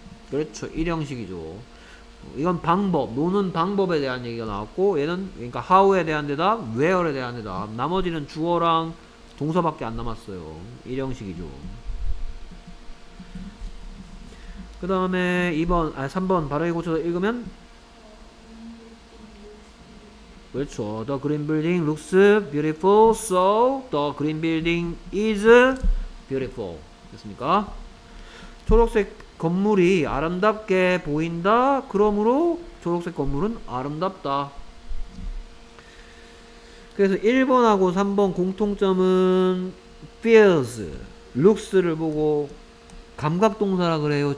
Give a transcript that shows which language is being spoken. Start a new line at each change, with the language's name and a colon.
Korean: 그렇죠. 1형식이죠. 이건 방법, 노는 방법에 대한 얘기가 나왔고 얘는 그러니까 how에 대한 대답, where에 대한 대답 나머지는 주어랑 동사밖에 안 남았어요. 1형식이죠. 그 다음에 2번, 아 3번 바르게 고쳐서 읽으면 그렇죠.
English: The green building looks beautiful, so the green building is beautiful.
Korean: 됐습니까? 초록색 건물이 아름답게 보인다. 그러므로 초록색 건물은 아름답다. 그래서 1번하고 3번 공통점은 feels, looks를 보고 감각동사라 그래요?